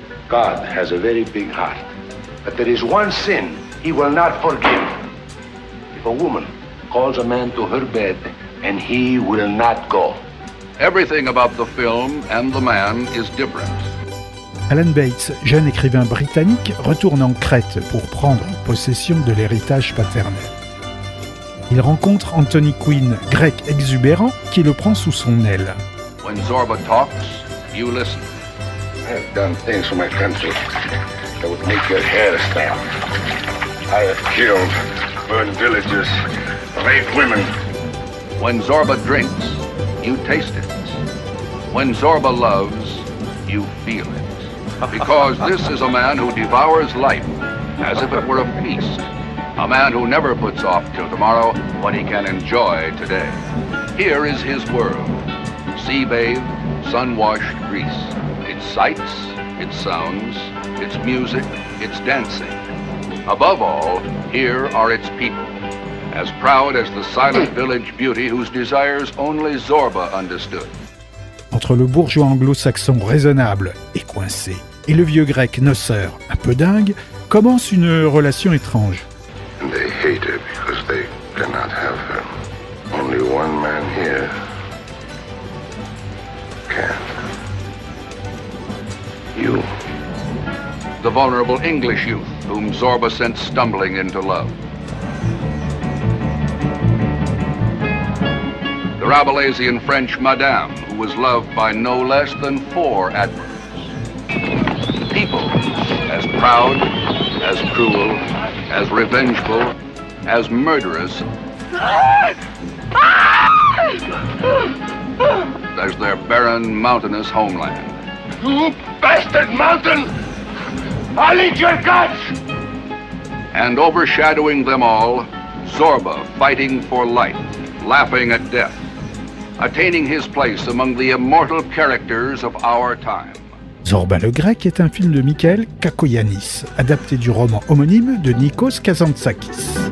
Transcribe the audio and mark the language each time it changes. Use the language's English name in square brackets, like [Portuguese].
[English] God has a very big heart. But there is one sin he will not forgive. If a woman calls a man to her bed and he will not go. Everything about the film and the man is different. [French] Alan Bates, jeune écrivain britannique, retourne en Crète pour prendre possession de l'héritage paternel. Il rencontre Anthony Quinn, grec exubérant, qui le prend sous son aile. [English] When Zorba talks, you listen. I have done things for my country that would make your hair stand. I have killed, burned villages, raped women. When Zorba drinks, you taste it. When Zorba loves, you feel it. Because this is a man who devours life as if it were a feast. A man who never puts off till tomorrow what he can enjoy today. Here is his world. Sea-bathed, sun-washed Greece. Its sights, its sounds, its music, its dancing. Above all, here are its people. As proud as the silent village beauty whose desires only Zorba understood. [French] Entre le bourgeois anglo-saxon raisonnable et coincé, et le vieux grec noceur, un peu dingue, commence une relation étrange. [English] They hate her because they cannot have her. Only one man here can. You. The vulnerable English youth whom Zorba sent stumbling into love. The Rabelaisian French Madame, who was loved by no less than four admirals. People as proud, as cruel, as revengeful, as murderous as their barren, mountainous homeland. You bastard mountain! I'll eat your guts! And overshadowing them all, Zorba fighting for life, laughing at death, attaining his place among the immortal characters of our time. [French] Zorba le Grec est un film de Michael Kakoyanis, adapté du roman homonyme de Nikos Kazantzakis.